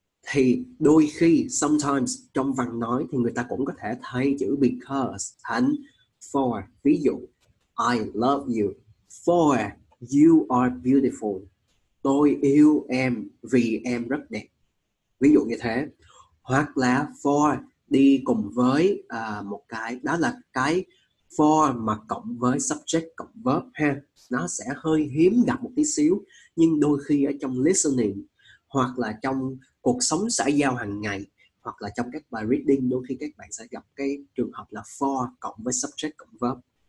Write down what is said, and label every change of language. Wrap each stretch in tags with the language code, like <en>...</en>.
<vi>Thì đôi khi sometimes trong văn nói thì người ta cũng có thể thay chữ because thành for. Ví dụ</vi> <en>I love you for you are beautiful.</en> <vi>Tôi yêu em vì em rất đẹp. Ví dụ như thế. Hoặc là for đi cùng với một cái, đó là cái for mà cộng với subject cộng verb ha. Nó sẽ hơi hiếm gặp một tí xíu, nhưng đôi khi ở trong listening hoặc là trong cuộc sống xã giao hàng ngày hoặc là trong các bài reading, đôi khi các bạn sẽ gặp cái trường hợp là for cộng với subject cộng verb.</vi>